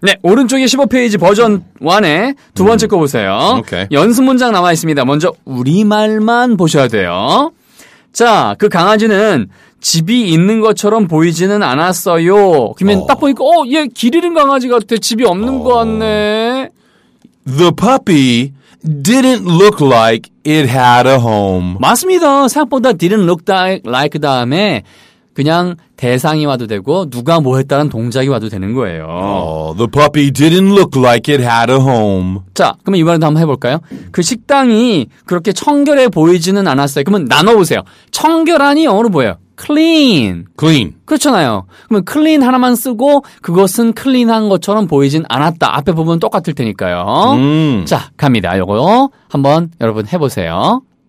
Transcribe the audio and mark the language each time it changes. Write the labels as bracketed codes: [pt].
[ko] 네, 오른쪽에 15페이지 버전 1에 두 번째 거 보세요. [en] Okay. [ko] 연습 문장 나와 있습니다. 먼저 우리말만 보셔야 돼요. 자, 그 강아지는 집이 있는 것처럼 보이지는 않았어요. 그러면 딱 보니까 얘 길 잃은 강아지 같아. 집이 없는 거 같네. [en] The puppy didn't look like it had a home. [ko] 맞습니다. 생각보다 [en] didn't look like [ko] 다음에 그냥 대상이 와도 되고 누가 뭐 했다는 동작이 와도 되는 거예요. [en] Oh, the puppy didn't look like it had a home. [ko] 자, 그러면 이번에도 한번 해볼까요? 그 식당이 그렇게 청결해 보이지는 않았어요. 그러면 나눠보세요. 청결하니 영어로 뭐예요? [en] Clean. Clean. [ko] 그렇잖아요. 그러면 clean 하나만 쓰고 그것은 clean한 것처럼 보이진 않았다. 앞에 부분은 똑같을 테니까요. 자, 갑니다. 이거 한번 여러분 해보세요.